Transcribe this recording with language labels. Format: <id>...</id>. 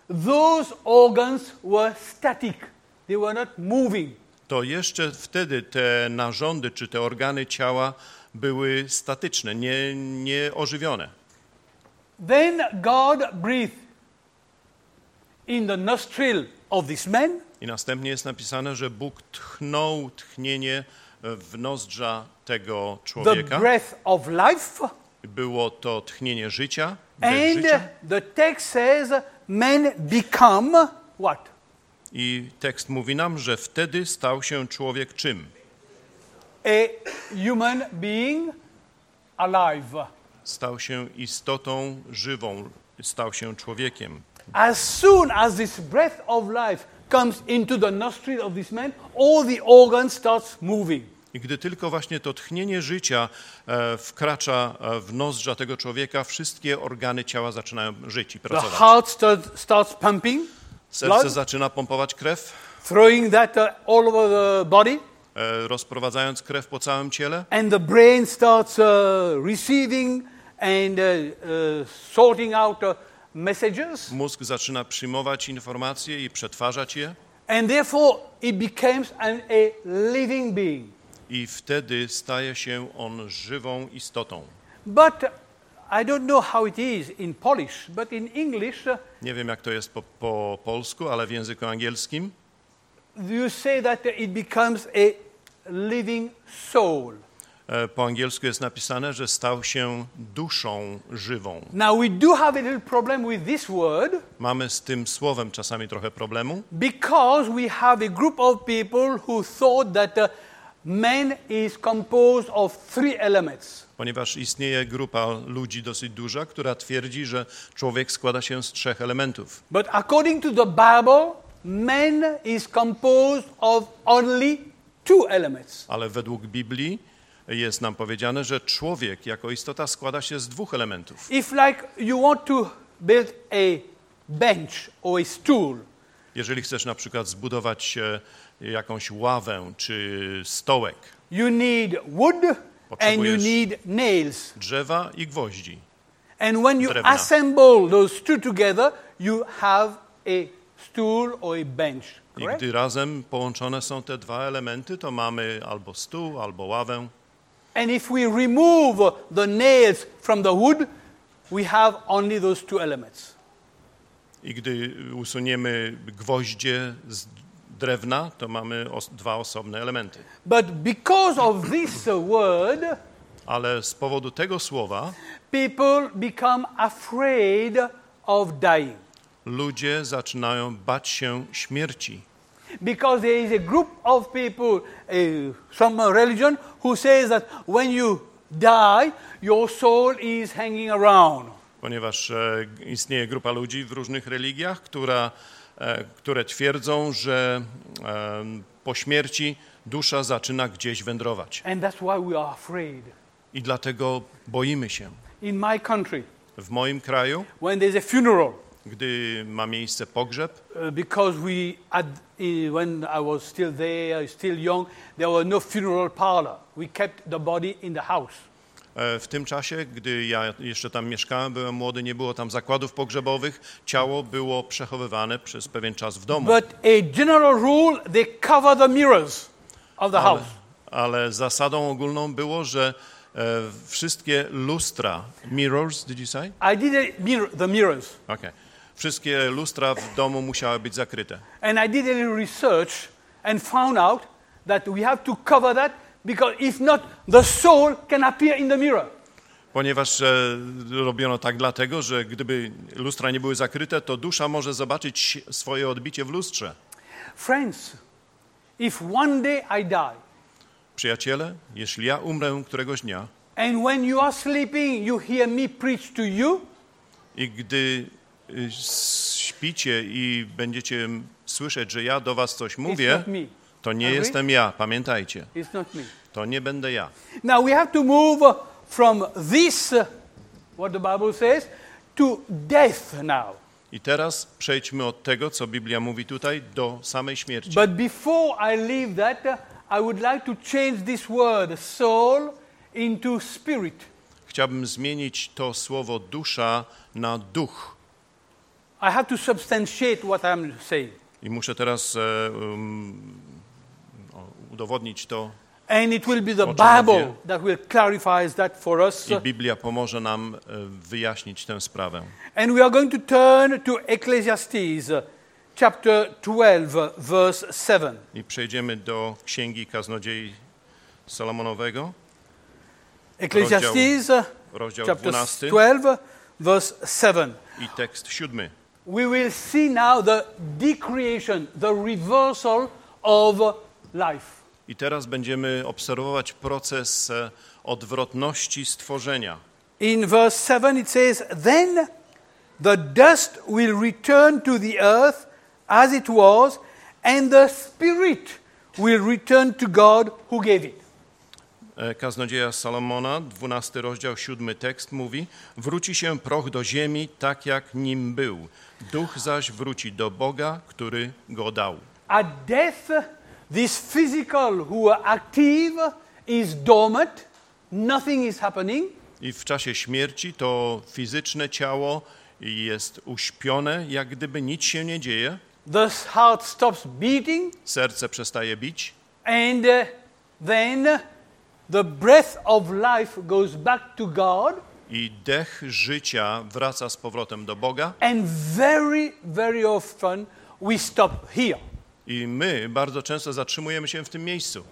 <en>those organs were static. They were not moving.</en> <pl>To jeszcze wtedy te narządy czy te organy ciała były statyczne, nie ożywione.</pl> <en>Then God breathed in the nostril of this man.</en> <pl>I następnie jest napisane, że Bóg tchnął tchnienie w nozdrza tego człowieka.</pl> <en>The breath of life.</en> <pl>Było to tchnienie życia.</pl> <en>And</en> <pl>życia.</pl> <en>The text says man become what?</en> <pl>I tekst mówi nam, że wtedy stał się człowiek czym?</pl> <en>A human being alive.</en> <pl>Stał się istotą żywą, stał się człowiekiem.</pl> <en>As soon as this breath of life comes into the nostril of this man, all the organs starts moving.</en> <pl>I gdy tylko właśnie to tchnienie życia wkracza w nozdrza tego człowieka, wszystkie organy ciała zaczynają żyć i pracować.</pl> <en>The heart starts pumping.</en> <pl>Serce</pl> <en>blood,</en> <pl>zaczyna pompować krew.</pl> <en>Throwing that all over the body.</en> <pl>Rozprowadzając krew po całym ciele.</pl> <en>And the brain starts receiving and sorting out messages.</en> <pl>Mózg zaczyna przyjmować informacje i przetwarzać je.</pl> <en>And therefore it becomes a living being.</en> <pl>I wtedy staje się on żywą istotą.</pl> <en>But I don't know how it is in Polish, but in English.</en> <pl>Nie wiem jak to jest po polsku, ale w języku angielskim.</pl> <en>You say that it becomes a living soul.</en> <pl>Po angielsku jest napisane, że stał się duszą żywą.</pl> <en>Now we do have a little problem with this word.</en> <pl>Mamy z tym słowem czasami trochę problemu.</pl> <en>Because we have a group of people who thought that Man is composed of three elements.</en> <pl>Ponieważ istnieje grupa ludzi dosyć duża, która twierdzi, że człowiek składa się z trzech elementów.</pl> <en>But according to the Bible, man is composed of only two elements.</en> <pl>Ale według Biblii jest nam powiedziane, że człowiek jako istota składa się z dwóch elementów.</pl> <en>If like you want to build a bench or a stool.</en> <pl>Jeżeli chcesz na przykład zbudować jakąś ławę czy stołek.</pl> <en>You need wood and you need nails.</en> <pl>Drzewa i gwoździ.</pl> <en>And when you assemble those two together, you have a stool or a bench.</en> <pl>I gdy razem połączone są te dwa elementy, to mamy albo stół, albo ławę.</pl> <en>And if we remove the nails from the wood, we have only those two elements.</en> <pl>I gdy usuniemy gwoździe z drewna, to mamy dwa osobne elementy.</pl> <en>But because of this word,</en> <pl>ale z powodu tego słowa,</pl> <en>people become afraid of dying.</en> <pl>Ludzie zaczynają bać się śmierci.</pl> <en>Because there is a group of people from a religion who says that when you die, your soul is hanging around.</en> <pl>Ponieważ istnieje grupa ludzi w różnych religiach, które twierdzą, że po śmierci dusza zaczyna gdzieś wędrować.</pl> <en>And that's why we are afraid.</en> <pl>I dlatego boimy się.</pl> <en>In my country,</en> <pl>w moim kraju,</pl> <en>when there's a funeral,</en> <pl>gdy ma miejsce pogrzeb,</pl> <en>because we had, when I was still there, still young, there were no funeral parlor. We kept the body in the house.</en> <pl>W tym czasie, gdy ja jeszcze tam mieszkałem, byłem młody, nie było tam zakładów pogrzebowych, ciało było przechowywane przez pewien czas w domu.</pl> <en>But a general rule, they cover the mirrors of the house.</en> <pl>Ale zasadą ogólną było, że wszystkie lustra,</pl> <en>mirrors, did you say? I did the mirrors. Okay.</en> <pl>Wszystkie lustra w domu musiały być zakryte.</pl> <en>And I did a little research and found out that we have to cover that. Because if not, the soul can appear in the mirror.</en> <pl>Ponieważ robiono tak dlatego, że gdyby lustra nie były zakryte, to dusza może zobaczyć swoje odbicie w lustrze.</pl> <en>Friends, if one day I die,</en> <pl>przyjaciele, jeśli ja umrę któregoś dnia,</pl> <en>and when you are sleeping, you hear me preach to you,</en> <pl>i gdy śpicie i będziecie słyszeć, że ja do was coś mówię,</pl> <en>it's not me.</en> <pl>To nie jestem ja, pamiętajcie.</pl> <en>It's not me.</en> <pl>To nie będę ja.</pl> <en>Now we have to move from this, what the Bible says, to death now.</en> <pl>I teraz przejdźmy od tego, co Biblia mówi tutaj, do samej śmierci.</pl> <en>But before I leave that, I would like to change this word, soul, into spirit.</en> <pl>Chciałbym zmienić to słowo dusza na duch.</pl> <en>I have to substantiate what I'm saying.</en> <pl>I muszę teraz udowodnić to.</pl> <en>And it will be the Bible that will clarify that for us.</en> <pl>I Biblia pomoże nam wyjaśnić tę sprawę.</pl> <en>And we are going to turn to Ecclesiastes chapter 12 verse 7.</en> <pl>I przejdziemy do Księgi Kaznodziei Salomonowego.</pl> <en>Ecclesiastes</en> <pl>rozdział</pl> <en>chapter 12 verse 7.</en> <pl>I tekst 7.</pl> <en>We will see now the decreation, the reversal of life.</en> <pl>I teraz będziemy obserwować proces odwrotności stworzenia.</pl> <en>In verse 7 it says, then the dust will return to the earth as it was, and the spirit will return to God who gave it.</en> <pl>Kaznodzieja Salomona, 12 rozdział, 7 tekst mówi, wróci się proch do ziemi tak, jak nim był. Duch zaś wróci do Boga, który go dał.</pl> <en>A death, this physical who are active is dormant, nothing is happening.</en> <pl>I w czasie śmierci to fizyczne ciało jest uśpione, jak gdyby nic się nie dzieje.</pl> <en>The heart stops beating.</en> <pl>Serce przestaje bić.</pl> <en>And then the breath of life goes back to God.</en> <pl>I dech życia wraca z powrotem do Boga.</pl> <en>And very, very often we stop here.</en> <pl>I my bardzo często zatrzymujemy się w tym miejscu.</pl>